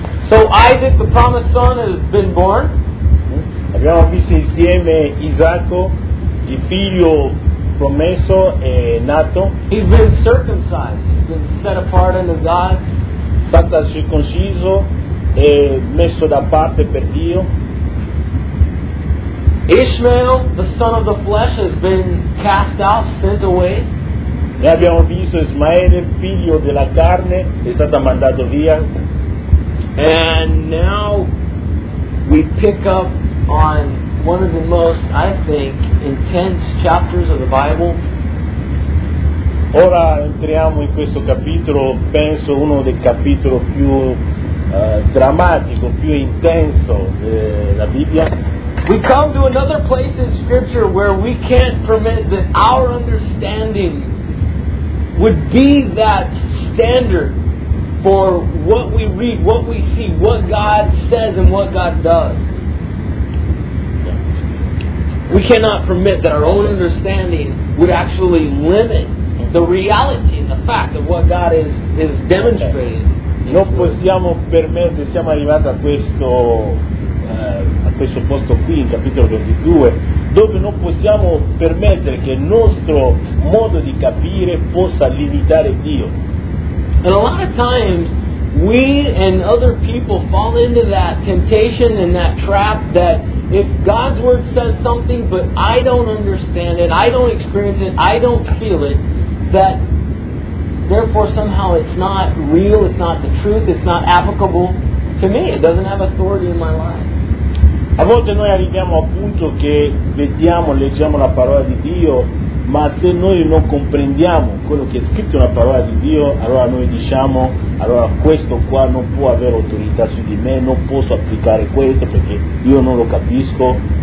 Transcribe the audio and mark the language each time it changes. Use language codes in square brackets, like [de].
[en] So Isaac, the promised son, has been born. [it] Abbiamo visto insieme Isacco, il figlio promesso è nato. [en] He's been circumcised. He's been set apart unto God. [it] Stato circonciso e messo da parte per Dio. [en] Ishmael, the son of the flesh, has been cast out, sent away. [it] Noi abbiamo visto Ismaele, figlio della carne, è stato mandato via. [en] And now we pick up on one of the most, I think, intense chapters of the Bible. [it] Ora entriamo in questo capitolo, penso uno dei capitoli più drammatico, più intenso della Bibbia. [en] We come to another place in Scripture where we can't permit that our understanding would be that standard for what we read, what we see, what God says and what God does. We cannot permit that our own understanding would actually limit the reality and the fact of what God is demonstrating. [it] Non possiamo permettere, siamo arrivati a questo posto qui, in capitolo 22, dove non possiamo permettere che il nostro modo di capire possa limitare Dio. [en] And a lot of times, we and other people fall into that temptation and that trap that if God's Word says something, but I don't understand it, I don't experience it, I don't feel it, that therefore somehow it's not real, it's not the truth, it's not applicable to me, it doesn't have authority in my life. [it] A volte noi arriviamo al punto che vediamo, leggiamo la parola di Dio, ma se noi non comprendiamo quello che è scritto nella parola di Dio, allora noi diciamo, allora questo qua non può avere autorità su di me, non posso applicare questo perché io non lo capisco.